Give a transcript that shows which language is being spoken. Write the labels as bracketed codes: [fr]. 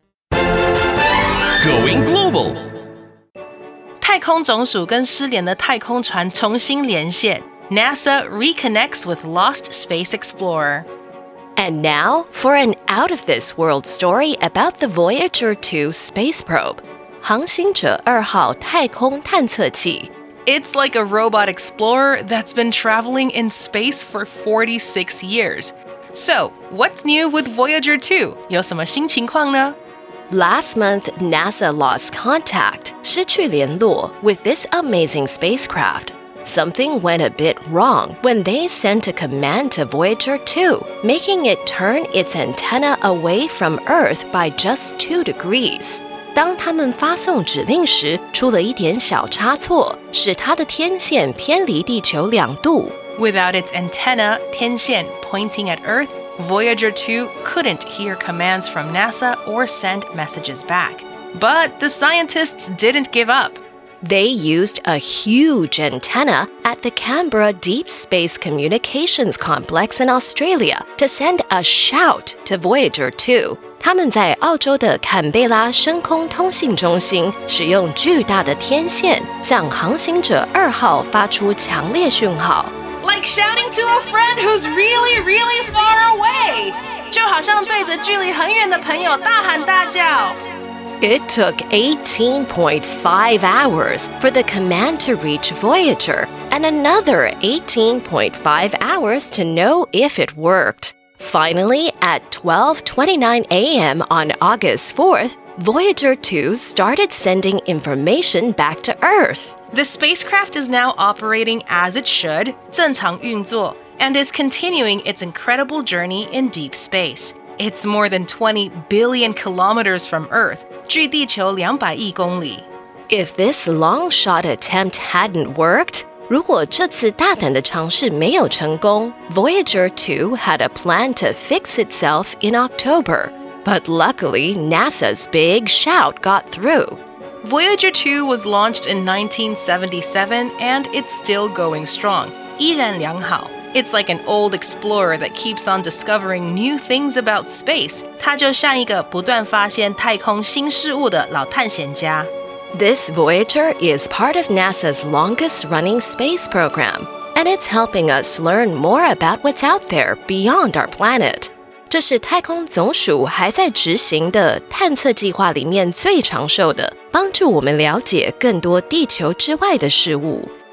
[en] Going global! [zh] 太空总署跟失联的太空船重新连线, [en] NASA reconnects with lost space explorer. And now, for an out-of-this-world story about the Voyager 2 space probe. [zh] 航行者二号太空探测器。 [en] It's like a robot explorer that's been traveling in space for 46 years. So, what's new with Voyager 2? [zh] 有什么新情况呢? [en] Last month, NASA lost contact, [zh] 失去联络, [en] with this amazing spacecraft. Something went a bit wrong when they sent a command to Voyager 2, making it turn its antenna away from Earth by just 2 degrees. [zh] 当他们发送指令时出了一点小差错使它的天线偏离地球两度。 [en] Without its antenna, 天线 pointing at Earth, Voyager 2 couldn't hear commands from NASA or send messages back. But the scientists didn't give up. They used a huge antenna at the Canberra Deep Space Communications Complex in Australia to send a shout to Voyager 2. [zh] 他们在澳洲的坎贝拉深空通信中心使用巨大的天线向航行者二号发出强烈讯号。 [en] Like shouting to a friend who's really, really far away! [zh] 就好像对着距离很远的朋友大喊大叫。 [en] It took 18.5 hours for the command to reach Voyager, and another 18.5 hours to know if it worked. Finally, at 12:29 a.m. on August 4th, Voyager 2 started sending information back to Earth. The spacecraft is now operating as it should, [zh] 正常运作, [en] and is continuing its incredible journey in deep space. It's more than 20 billion kilometers from Earth, [zh] 距地球200亿公里。 [en] If this long shot attempt hadn't worked, [zh] 如果这次大胆的尝试没有成功 [en] Voyager 2 had a plan to fix itself in October. But luckily, NASA's big shout got through. Voyager 2 was launched in 1977 and it's still going strong, [zh] 依然良好。 [en] It's like an old explorer that keeps on discovering new things about space. [zh] 它就像一个不断发现太空新事物的老探险家。 [en] This Voyager is part of NASA's longest-running space program, and it's helping us learn more about what's out there beyond our planet. [zh] 这是太空总署还在执行的探测计划里面最长寿的，帮助我们了解更多地球之外的事物。